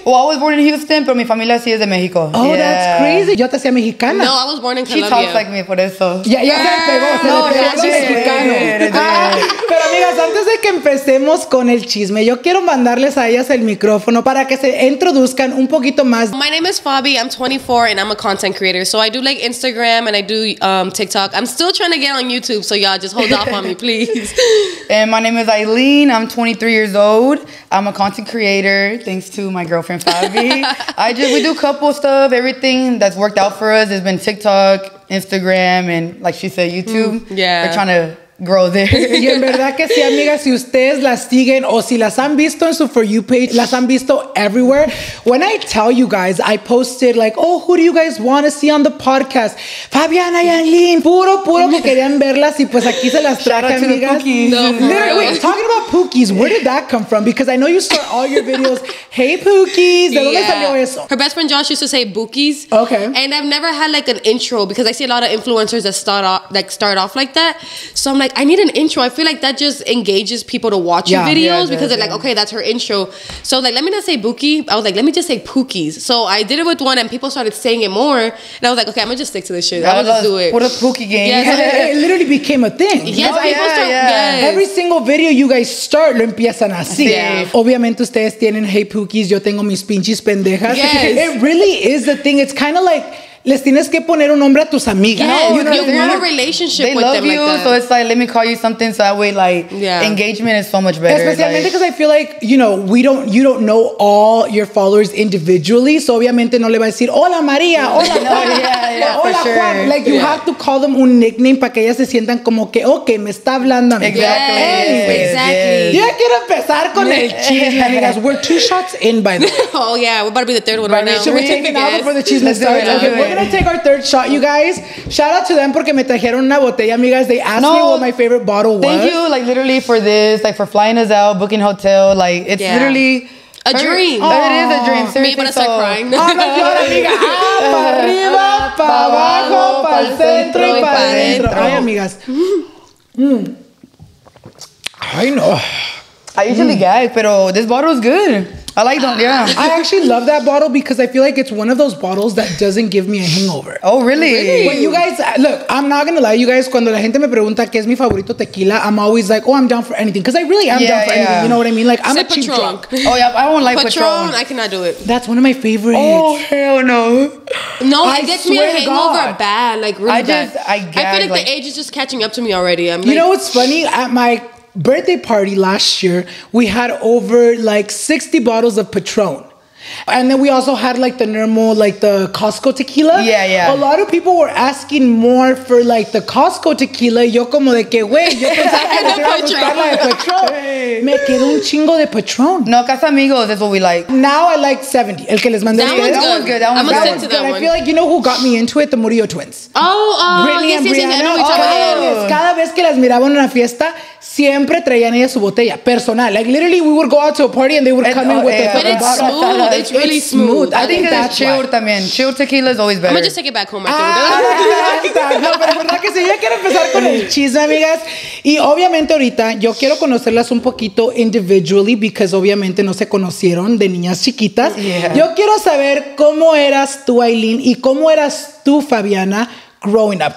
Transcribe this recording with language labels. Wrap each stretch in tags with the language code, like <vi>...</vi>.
<en>Well, I was born in Houston,</en> <es>pero mi familia sí es de México.</es> <en>Oh, that's crazy.</en> <es>Yo te hacía mexicana.</es> <en>No, I was born in Colombia. She talks like me,</en> <es>por eso.</es> <en>Yeah, yeah.</en> <es>Pero amigas, antes de que empecemos con el chisme, yo quiero mandarles a ellas el micrófono para que se introduzcan un poquito más.</es> <en>My name is Fabi, I'm 24 and I'm a content creator. So I do like Instagram and I do TikTok. I'm still trying to get on YouTube, so y'all just hold off on me, please. And my name is Ailyn, I'm 23 years old. I'm a content creator, thanks to my girlfriend Fabi. We do couple stuff, everything that's worked out for us has been TikTok, Instagram, and like she said, YouTube. Yeah. We're trying to grow there.</en> <es>Y en verdad que sí, amigas, si ustedes las siguen o si las han visto en su For You page, las han visto everywhere.</es> <en>When I tell you guys, I posted like, oh, who do you guys want to see on the podcast?</en> <es>Fabiana y Ailyn, puro, puro que querían verlas y pues aquí se las traje, amigas.</es> <en>No, talking about Pookies, where did that come from? Because I know you start all your videos, hey Pookies,</en> <es>¿de dónde salió eso?</es> <en>Her best friend Josh used to say Bookies. Okay. And I've never had like an intro because I see a lot of influencers that start off like that. So I'm like, I need an intro. I feel like that just engages people to watch your videos because they're like, okay, that's her intro. So like, let me not say Bookie. I was like, let me just say Pookies. So I did it with one and people started saying it more. And I was like, okay, I'm going to just stick to this shit. I'm going to just do it. What a Pookie game. Yeah, so it literally became a thing. Yes, people start. Every single video you guys start,</en> <es>lo empiezan así.</es> <en>Yeah.</en> <es>Obviamente ustedes tienen, hey Pookies, yo tengo mis pinches pendejas.</es> <en>Yes. It really is the thing. It's kind of like,</en> <es>les tienes que poner un nombre a tus amigas.</es> <en>You want a relationship they with love them you, like that. So it's like, let me call you something. So that way, like, engagement is so much better. Especialmente because like, I feel like, you know, you don't know all your followers individually.</en> <es>So obviamente no le va a decir, hola María, hola María. Hola Juan.</es> <en>Like, you have to call them</en> <es>un nickname para que ellas se sientan como que, ok, me está hablando.</es> <en>Exactly.</en> <es>Yo quiero empezar con el chisme, amigas.</es> <en>We're two shots in, by the way. Oh, yeah. We're about to be the third one right now. Should we take an hour for the chisme start? gonna take our third shot, you guys. Shout out to them</en> <es>porque me trajeron una botella, amigas.</es> <en>They asked me what my favorite bottle was. Thank you, like, literally for this, like, for flying us out, booking hotel. Like, it's literally a dream. Aww. It is a dream. Seriously. Me gonna start crying.</en> <es>Arriba, pa abajo, pa el centro y pa adentro. Ay, amigas.</es> <en>I know. I usually gag, pero this bottle is good. I like them, yeah. I actually love that bottle because I feel like it's one of those bottles that doesn't give me a hangover. Oh, really? Really? When you guys, look, I'm not going to lie, you guys,</en> <es>cuando la gente me pregunta qué es mi favorito tequila,</es> <en>I'm always like, oh, I'm down for anything. Because I really am down for anything, you know what I mean? Like, I'm a cheap drunk. Oh, yeah, I don't like Patron. I cannot do it. That's one of my favorites. Oh, hell no. No, it gets me a hangover bad, like really bad. I feel like the age is just catching up to me already. You know what's funny? At my birthday party last year, we had over like 60 bottles of Patron, and then we also had like the normal, like the Costco tequila. Yeah, yeah. A lot of people were asking more for like the Costco tequila.</en> <es>Yo como de que güey, yo pensaba que era Patron. Me quedo un chingo de Patron.</es> <en>No, casa amigos, that's what we like. Now I like 70.</en> <es>El que les mandé.</es> <en>That one's good. That one's good. I'm gonna send to that one. I feel like, you know who got me into it? The Murillo twins. Oh, yes, Brianna.</en> <es>Cada vez que las miraba en una fiesta, siempre traían ella su botella personal.</es> <en>Like, literally, we would go out to a party and they would come in with their bottle. But it's smooth. It's really smooth. I think that's chill también. Chill tequila is always better. I'm gonna just take it back home.</en> <es>No, pero verdad que sí. Ya quiero empezar con el chisme, amigas. Y obviamente ahorita yo quiero conocerlas un poquito individually because obviamente no se conocieron de niñas chiquitas.</es> <en>Yeah.</en> <es>Yo quiero saber cómo eras tú, Ailyn, y cómo eras tú, Fabiana,</es> <en>growing up.</en>